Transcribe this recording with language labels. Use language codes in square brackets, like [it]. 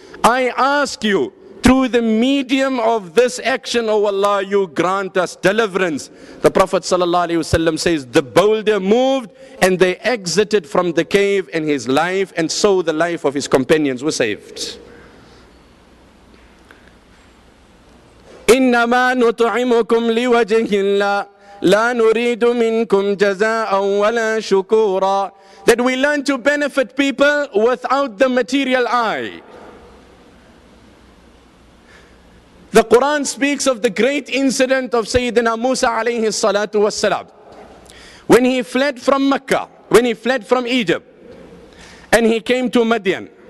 [en] I ask you, through the medium of this action, O Allah, you grant us deliverance. The Prophet sallallahu alaihi wasallam says, the boulder moved and they exited from the cave and his life, and so the life of his companions were saved. [ar] إنما نطعمكم لوجه الله لا نريد منكم جزاء ولا شكورا. [en] That we learn to benefit people without the material eye. The Quran speaks of the great incident of Sayyidina Musa alayhi salatu wassalam. When he fled from Mecca, when he fled from Egypt, and he came to Midian.